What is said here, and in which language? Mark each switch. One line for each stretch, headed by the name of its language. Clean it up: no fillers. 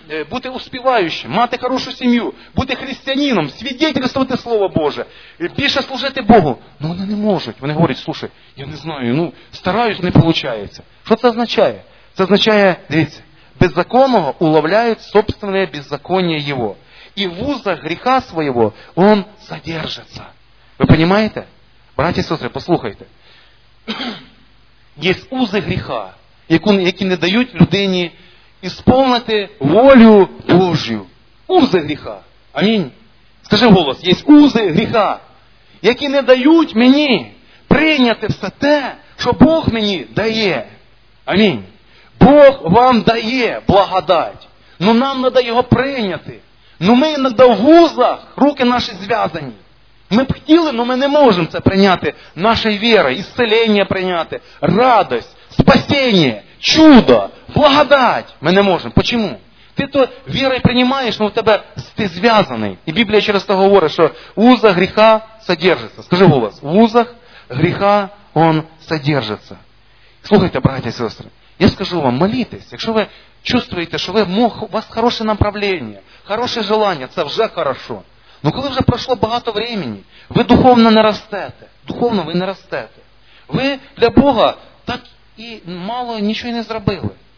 Ukrainian: Бути успівающим, мати хорошу сім'ю, бути християнином, свідчити Слово Боже, більше служити Богу. Ну вони не можуть. Вони говорять, слушай, я не знаю, ну стараюсь, не виходить. Що це означає? Це означає, дивіться, беззаконного уловляють собственне беззаконие його.
Russian: И в узах греха своего он содержится. Вы понимаете? Братья и сестры, послухайте. Есть узы греха, які не дают людині исполнити волю Божью. Узы греха. Аминь. Скажи голос. Есть узы греха,
Ukrainian: які не дают мені прийняти все те, що Бог мені дає. Аминь. Бог вам дає благодать, но нам надо його прийняти. Ну ми іноді в вузах, руки наші зв'язані. Ми б хотіли, але ми не можемо це прийняти. Нашої віри, ісцеління прийняти, радость, спасіння, чудо, благодать. Ми не можемо. Чому? Ти то вірою приймаєш, але в тебе ти зв'язаний. І Біблія через це говорить, що в узах гріха содержиться. Скажи голос, в узах гріха он содержиться. Слухайте, браття і сестри, я скажу вам, молітесь, якщо ви чувствуєте, що ви мог, у вас хороше направлення, хороше желання, це вже хорошо. Ну коли вже пройшло багато времени, ви духовно не ростете. Духовно ви не ростете. Ви для Бога так і мало нічого не зробили.